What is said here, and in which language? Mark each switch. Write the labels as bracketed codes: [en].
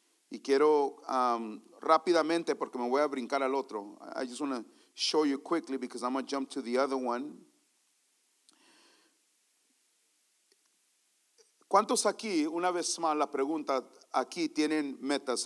[es] Y quiero rápidamente, porque me voy a brincar al otro. [en] I just want to show you quickly because I'm going to jump to the other one. [es] ¿Cuántos aquí, una vez más la pregunta, aquí tienen metas?